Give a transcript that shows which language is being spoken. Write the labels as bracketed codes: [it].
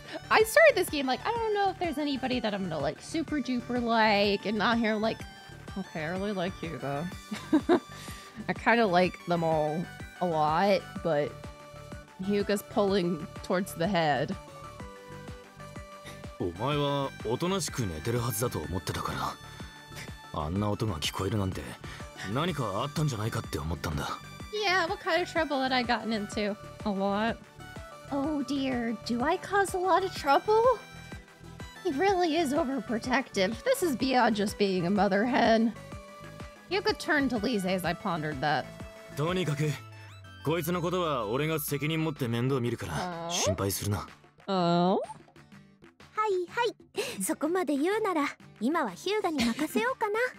[en] I started this game like, I don't know if there's anybody that I'm gonna like super duper like, and not here like, okay, I really like Hyuga. I kind of like them all a lot, but Hyuga's pulling towards the head. [ja] お前はおとなしく寝てるはずだと思ってたから、あんな音が聞こえるなんて何かあったんじゃないかって思ったんだ。 [en] Yeah, what kind of trouble had I gotten into? A lot. Oh dear, do I cause a lot of trouble? He really is overprotective. This is beyond just being a mother hen. You could turn to Lise as I pondered that. [ja] とにかく、こいつのことは俺が責任持って面倒見るから、心配するな。はいはい、そこまで言うなら今はヒューガに任せようかな。